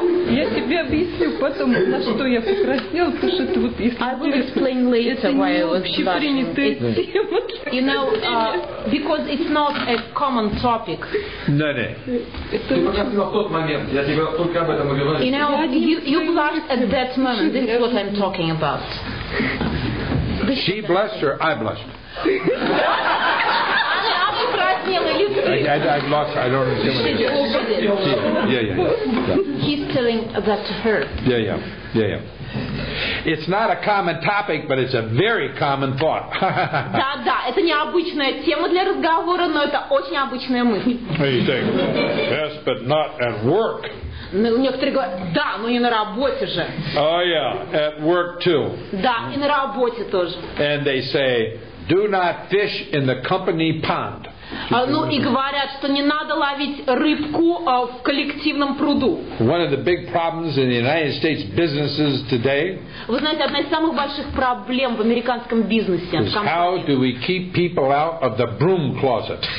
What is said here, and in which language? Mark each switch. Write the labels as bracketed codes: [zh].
[ru] Я тебе объясню потом, на что я покраснел, потому что ты вот исключительно. Это не общепринятая тема. [en] You know, because it's not a common topic. No, no. [ru] Это в тот момент. Я тебе только об этом говорю. [en] You know, you blushed at that moment. This is what I'm talking about. She blushed or I blushed? I've lost. I don't understand. Yeah. He's telling that to her. Yeah. It's not a common topic, but it's a very common thought. [ru] Да. Это необычная тема для разговора, но это очень обычная мысль. [en] You think? Yes, but not at work. [ru] Некоторые говорят, да, но и на работе же. [en] Oh yeah, at work too. [ru] Да, и на работе тоже. [en] And they say, do not fish in the company pond. [ru] Ну и говорят, что не надо ловить рыбку в коллективном пруду. [en] One of the big problems in the United States businesses today. [ru] Вы знаете, одна из самых больших проблем в американском бизнесе. [en] How do we keep people out of the broom closet?